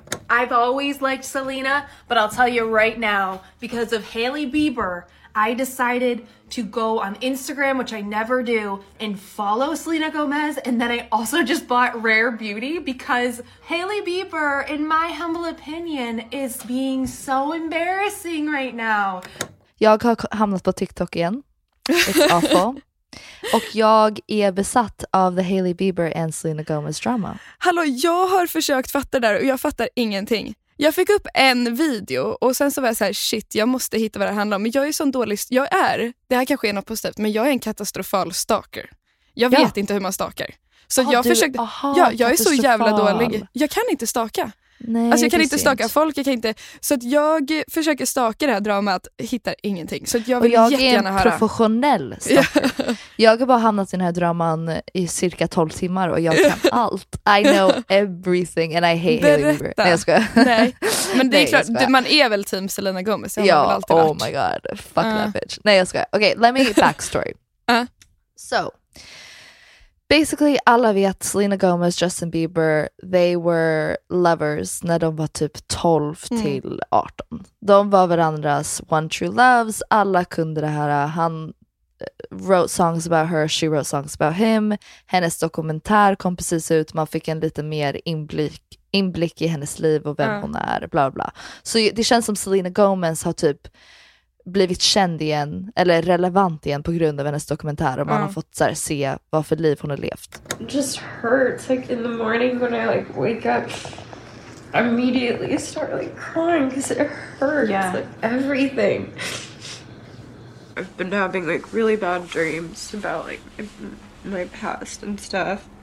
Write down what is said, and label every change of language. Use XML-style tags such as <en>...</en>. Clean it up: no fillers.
<en>I've always liked Selena, but I'll tell you right now, because of Hailey Bieber, I decided to go on Instagram, which I never do, and follow Selena Gomez. And then I also just bought Rare Beauty because Hailey Bieber, in my humble opinion, is being so embarrassing right now.</en> <sv>Jag har hamnat på TikTok igen.</sv> <en>It's awful.</en> <sv>Och jag är besatt av</sv> <en>the Hailey Bieber and Selena Gomez drama.</en> <sv>Hallå, jag har försökt fatta det där och jag fattar ingenting. Jag fick upp en video och sen så var jag så här, shit, jag måste hitta vad det handlar om. Men jag är så dålig, jag är, det här kanske är något positivt, men jag är en katastrofal stalker. Jag vet inte hur man stalkar. Så jag är så jävla dålig. Jag kan inte stalka. Nej, alltså jag kan inte stalka folk, jag kan inte. Så att jag försöker stalka det här dramat, hittar ingenting. Så att jag vill jag jättegärna höra. Jag är professionell stalker. Jag har bara hamnat i den här draman i cirka 12 timmar och jag kan allt.</sv> <en>I know everything and I hate Hailey Bieber.</en> <sv>Nej, jag skojar. Men det är klart, man är väl team Selena Gomez. Ja, väl</sv> <en>oh my god. Fuck that bitch.</en> <sv>Nej, jag skojar.</sv> <en>Okay, let me backstory. So, basically,</en> <sv>alla vet Selena Gomez, Justin Bieber,</sv> <en>they were lovers</en> <sv>när de var typ 12 till 18. De var varandras</sv> <en>one true loves.</en> <sv>Alla kunde det här.</sv> <en>Han wrote songs about her, she wrote songs about him.</en> <sv>Hennes dokumentär kom precis ut. Man fick en lite mer inblick i hennes liv och vem hon är, bla bla. Så det känns som Selena Gomez har typ blivit känd igen, eller relevant igen, på grund av hennes dokumentär, och man har fått så här, se vad för liv hon har levt.</sv> <en>It just hurts, like in the morning when I like wake up, I immediately start like crying because it hurts, like everything. I've been having like really bad dreams about like my past and stuff.</en>